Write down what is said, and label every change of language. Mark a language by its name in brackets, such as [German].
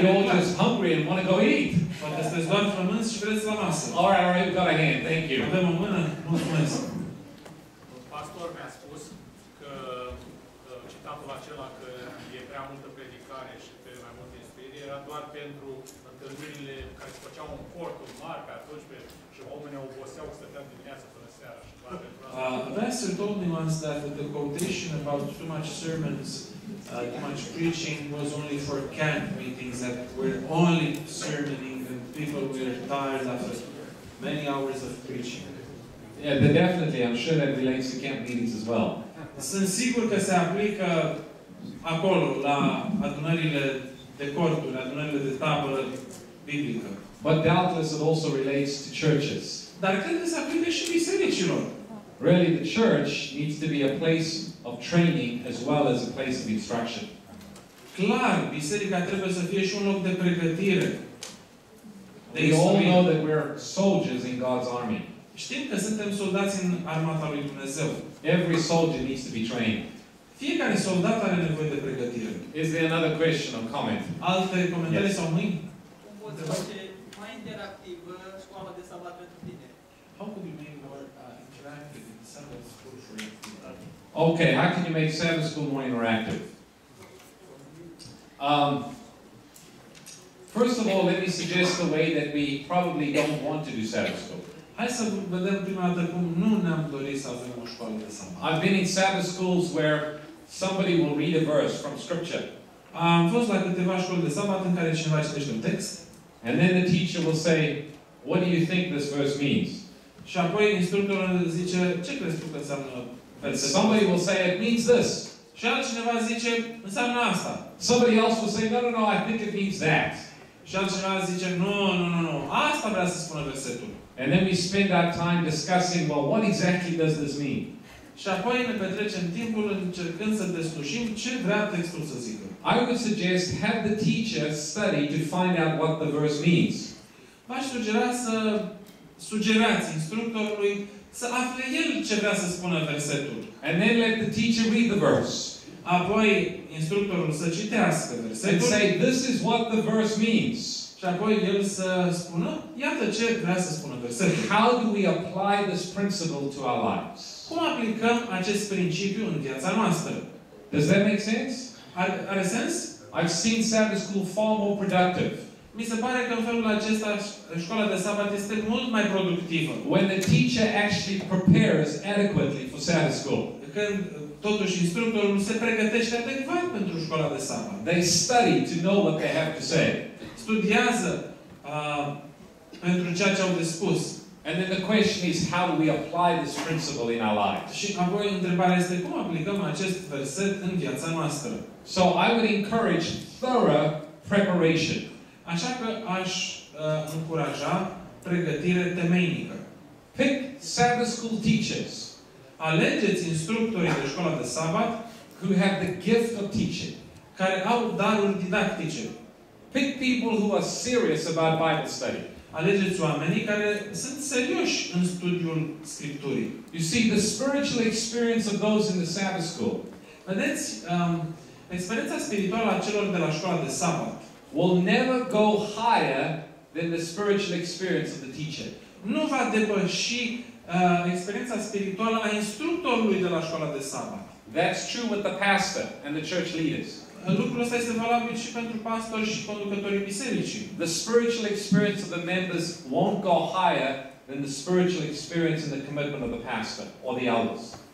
[English] you're just hungry and want to go eat. But this is one from us, spreads [Romanian] la masa. [English] All right, we've got a hand. Thank you. [Romanian] Avem o mână, mulțumesc. Pastor mi-a spus că citatul acela că e prea multă predicare și pe mai multe inspirii era doar pentru întâlnirile care se făceau în cortul mare pe atunci pe, și oamenii oboseau că stăteam dimineața până seara. [English] Pastor told me once that the quotation about too much sermons, too much preaching was only for camp meetings that were only sermoning and people were tired after many hours of preaching. Yeah, but definitely, I'm sure that relates to camp meetings as well. [Romanian] Sunt sigur că se aplică acolo, la adunările de corturi, adunările de tabără biblică. [English] But doubtless it also relates to churches. [Romanian] Dar când se aplică și bisericilor? [English] Really, the church needs to be a place of training as well as a place of instruction. [Romanian] Clar, biserica trebuie să fie și un loc de pregătire. [English] We all know that we're soldiers in God's army. [Romanian] Știm că suntem soldați în armata lui Dumnezeu. [English] Every soldier needs to be trained. [Romanian] Fiecare soldat are nevoie de pregătire. [English] Is there another question or comment? [Romanian] Alte comentarii sau mâini? Cum poți face mai interactivă școala de sabat pentru tine? [English] How could you make more interactive in Sabbath school for young people? Okay, how can you make Sabbath school more interactive? First of all, let me suggest the way that we probably don't want to do Sabbath school. [Romanian] Hai să vedem prima dată cum nu ne-am dorit să avem o școală de sabat. [English] I've been in Sabbath schools where somebody will read a verse from Scripture. [Romanian] Am fost la câteva școli de sabat în care cineva citește un text. [English] And then the teacher will say, what do you think this verse means? [Romanian] Și apoi instructorul zice, ce crezi tu că înseamnă? [English] Somebody will say, it means this. [Romanian] Și altcineva zice, înseamnă asta. [English] Somebody else will say, no, I think it means that. [Romanian] Și altcineva zice, no, asta vrea să spună versetul. [English] And then we spend our time discussing, well, what exactly does this mean? [Romanian] Și apoi ne petrecem timpul încercând să deslușim ce vrea textul să zică. [English] I would suggest have the teacher study to find out what the verse means. [Romanian] V-aș sugera să sugerați instructorului să afle el ce vrea să spună versetul. [English] And then let the teacher read the verse. [Romanian] Apoi instructorul să citească versetul. [English] And say, this is what the verse means. [Romanian] Și apoi el să spună, iată ce vrea să spună versetul. [English] How do we apply this principle to our lives? [Romanian] Cum aplicăm acest principiu în viața noastră? [English] Does that make sense? [Romanian] Are sens? [English] I've seen Sabbath school far more productive. [Romanian] Mi se pare că în felul acesta școala de sabat este mult mai productivă. [English] When the teacher actually prepares adequately for Sabbath school. [Romanian] Când totuși instructorul se pregătește adecvat pentru școala de sabat. [English] They study to know what they have to say. [Romanian] Studiază pentru ceea ce au de spus. [English] And then the question is how do we apply this principle in our lives? [Romanian] Și apoi întrebarea este cum aplicăm acest verset în viața noastră? [English] So I would encourage thorough preparation. [Romanian] Așa că aș încuraja pregătire temeinică. [English] Pick Sabbath school teachers. [Romanian] Alegeți instructorii de școala de sabat [English] who have the gift of teaching, [Romanian] care au darul didactice. [English] Pick people who are serious about Bible study. [Romanian] Alegeți oamenii care sunt serioși în studiul Scripturii. [English] You see, the spiritual experience of those in the Sabbath school. [Romanian] Vedeți, experiența spirituală a celor de la școala de sabat [English] will never go higher than the spiritual experience of the teacher. [Romanian] Nu va depăși experiența spirituală a instructorului de la școala de sabat. [English] That's true with the pastor and the church leaders. [Romanian] Lucrul ăsta este valabil și pentru pastori și conducătorii bisericii. [English] The spiritual experience of the members won't go higher than the spiritual experience and the commitment of the pastor or the elders.